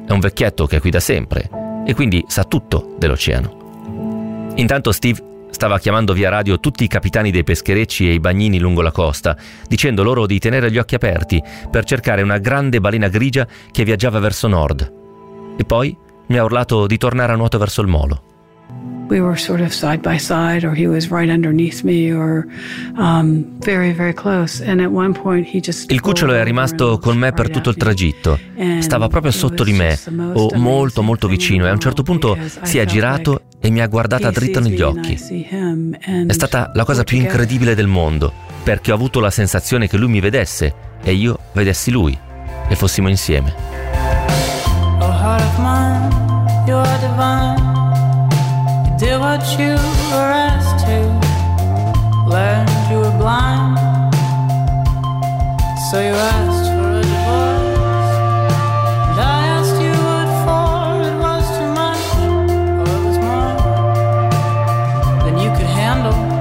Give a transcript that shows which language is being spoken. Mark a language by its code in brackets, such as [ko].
[it] È un vecchietto che è qui da sempre e quindi sa tutto dell'oceano. Intanto Steve stava chiamando via radio tutti i capitani dei pescherecci e i bagnini lungo la costa, dicendo loro di tenere gli occhi aperti per cercare una grande balena grigia che viaggiava verso nord. E poi mi ha urlato di tornare a nuoto verso il molo. [en] We were sort of side by side, or he was right underneath me, or very, very close. And at one point he just. [it] Il cucciolo è rimasto con me per tutto il tragitto. Stava proprio sotto di me, o molto, molto vicino, e a un certo punto si è girato e mi ha guardata dritto negli occhi. È stata la cosa più incredibile del mondo, perché ho avuto la sensazione che lui mi vedesse e io vedessi lui, e fossimo insieme. [en] Oh, heart of mine, you are divine. Do what you were asked to. Learned you were blind, so you asked for a divorce. And I asked you what for. It was too much, or it was more than you could handle.